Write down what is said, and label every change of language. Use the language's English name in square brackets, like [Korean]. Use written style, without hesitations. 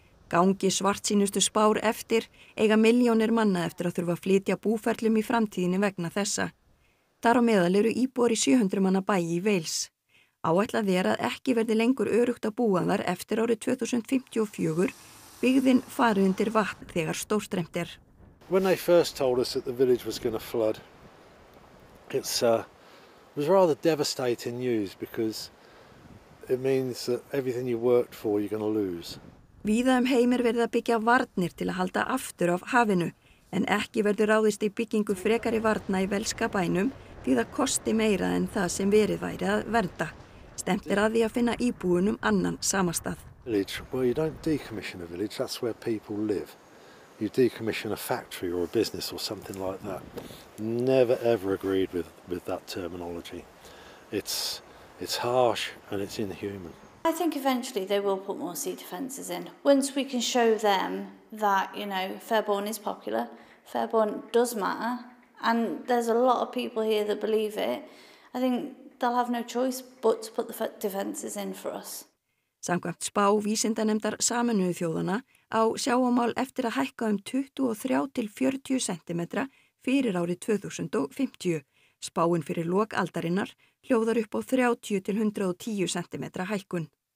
[Icelandic] Gangi svartsýnustu spár eftir, eiga milljónir manna eftir að þurfa að flytja búferlum í framtíðinni vegna þessa. Þar á meðal eru íbúar í 700 manna bæi í Wales. Áætlað er að ekki verði lengur örugt að búa þar eftir árið 2054, byggðin farið undir vatn þegar stórstreymt er. [English] When they first told us that the village was going to flood, it was rather devastating news because it means that everything you worked for you're going to lose. [Icelandic] Víða heim er verið að byggja varnir til að halda aftur af hafinu, en ekki verður ráðist í byggingu frekari varna í velska bænum því það kosti meira en það sem verið væri að vernda. Stemt er að því að finna íbúunum annan samastað. [English] Village. Well, you don't decommission a village, that's where people live. You decommission a factory or a business or something like that. Never ever agreed with that terminology. It's harsh and it's inhuman. I think eventually they will put more sea defences in. Once we can show them that, you know, Fairbourne is popular, Fairbourne does matter, and there's a lot of people here that believe it, I think they'll have no choice but to put the defences in for us. [Icelandic] Samkvæmt spá vísindanefndar Sameinuðu þjóðanna á sjávarmál eftir að hækka 23-40 cm fyrir árið 2050. Spáin fyrir lok aldarinnar hljóðar upp á 30-110 cm hækkun.